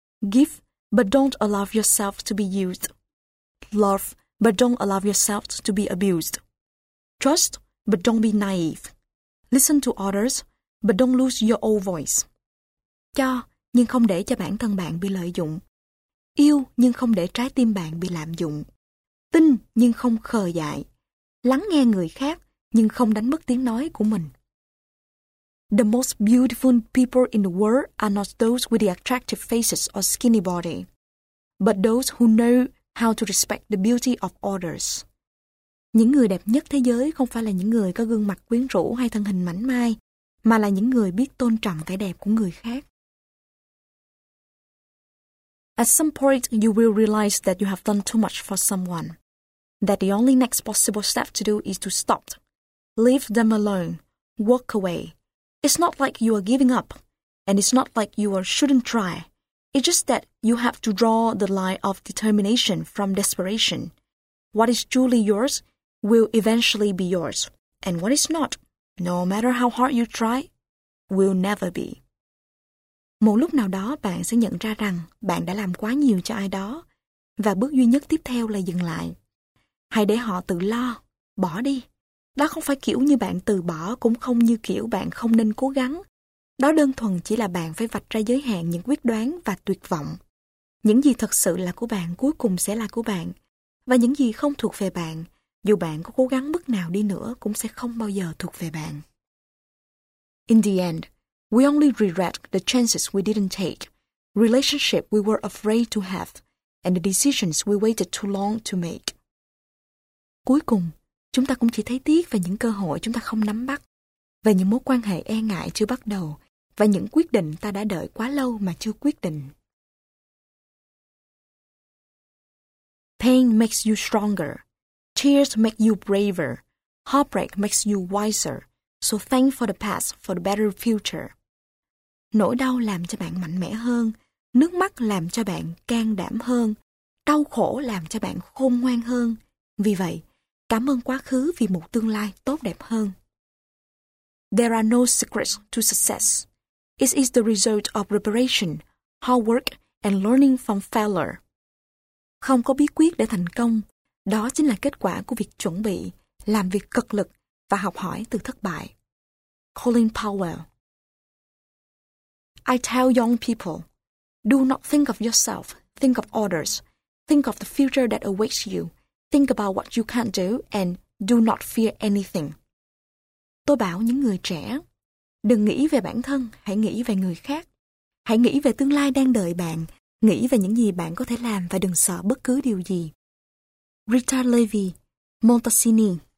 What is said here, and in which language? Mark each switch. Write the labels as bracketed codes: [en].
[en] Give, but don't allow yourself to be used. Love, but don't allow yourself to be abused. Trust, but don't be naive. Listen to others, but don't lose your own voice. [vi] Cho, nhưng không để cho bản thân bạn bị lợi dụng. Yêu, nhưng không để trái tim bạn bị lạm dụng. Tin, nhưng không khờ dại. Lắng nghe người khác, nhưng không đánh mất tiếng nói của mình. [en] The most beautiful people in the world are not those with the attractive faces or skinny body, but those who know how to respect the beauty of others. [vi] Những người đẹp nhất thế giới không phải là những người có gương mặt quyến rũ hay thân hình mảnh mai, mà là những người biết tôn trọng cái đẹp của người khác. [en] At some point, you will realize that you have done too much for someone, that the only next possible step to do is to stop, leave them alone, walk away. It's not like you are giving up, and it's not like you shouldn't try. It's just that you have to draw the line of determination from desperation. What is truly yours will eventually be yours, and what is not, no matter how hard you try, will never be. [vi] Một lúc nào đó bạn sẽ nhận ra rằng bạn đã làm quá nhiều cho ai đó, và bước duy nhất tiếp theo là dừng lại. Hãy để họ tự lo, bỏ đi. Đó không phải kiểu như bạn từ bỏ cũng không như kiểu bạn không nên cố gắng. Đó đơn thuần chỉ là bạn phải vạch ra giới hạn những quyết đoán và tuyệt vọng. Những gì thật sự là của bạn cuối cùng sẽ là của bạn. Và những gì không thuộc về bạn, dù bạn có cố gắng mức nào đi nữa cũng sẽ không bao giờ thuộc về bạn. [en] In the end, we only regret the chances we didn't take, relationship we were afraid to have, and the decisions we waited too long to make. [vi] Cuối cùng, chúng ta cũng chỉ thấy tiếc về những cơ hội chúng ta không nắm bắt, về những mối quan hệ e ngại chưa bắt đầu, và những quyết định ta đã đợi quá lâu mà chưa quyết định. [en] Pain makes you stronger. Tears make you braver. Heartbreak makes you wiser. So thank for the past for the better future. [vi] Nỗi đau làm cho bạn mạnh mẽ hơn. Nước mắt làm cho bạn can đảm hơn. Đau khổ làm cho bạn khôn ngoan hơn. Vì vậy, cảm ơn quá khứ vì một tương lai tốt đẹp hơn. [en] There are no secrets to success. It is the result of preparation, hard work, and learning from failure. [vi] Không có bí quyết để thành công. Đó chính là kết quả của việc chuẩn bị, làm việc cật lực và học hỏi từ thất bại. [en] Colin Powell. I tell young people, do not think of yourself, think of others, think of the future that awaits you. Think about what you can't do and do not fear anything. [vi] Tôi bảo những người trẻ, đừng nghĩ về bản thân, hãy nghĩ về người khác. Hãy nghĩ về tương lai đang đợi bạn, nghĩ về những gì bạn có thể làm và đừng sợ bất cứ điều gì. [en] Rita Levi, Montesini.